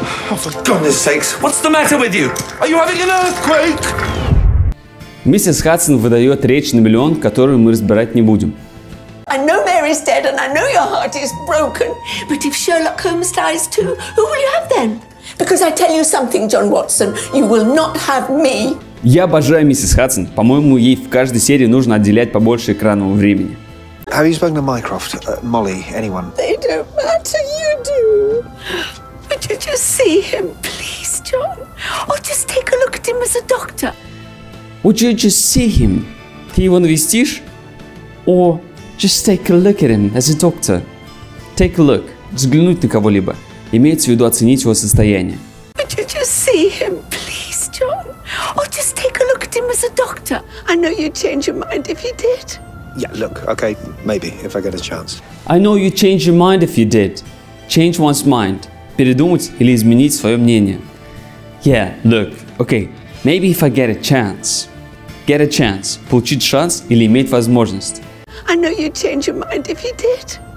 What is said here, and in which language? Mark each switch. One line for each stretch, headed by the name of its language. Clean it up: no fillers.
English: Oh, for goodness sakes, what's the matter with you? Are you having an earthquake?
Russian: Миссис Хадсон выдает речь на миллион, которую мы разбирать не будем.
English: I know Mary's dead and I know your heart is broken, but if Sherlock Holmes dies too, who will you have then? Because I tell you something, John Watson, you will not have me.
Russian: Я обожаю миссис Хадсон. По-моему, ей в каждой серии нужно отделять побольше экранного времени.
English: Have you spoken to Mycroft, Molly, anyone? They don't matter, you do. Would you just see him, please, John? Or just take a look at him as a doctor? Would you just see him?
Russian: Ты его навестишь?
English: Or just take a look at him as a doctor? Take a look.
Russian: Взглянуть на кого-либо. Имеется в виду оценить его состояние.
English: Would you just see him, please, John? Or just take a look at him as a doctor? I know you'd change your mind if you did. Yeah, look, okay, maybe, if I get a chance. I know you'd change your mind if you did. Change one's mind.
Russian: Передумать или изменить свое мнение.
English: Yeah, look, okay, maybe if I get a chance. Get a chance.
Russian: Получить шанс или иметь возможность.
English: I know you'd change your mind if you did.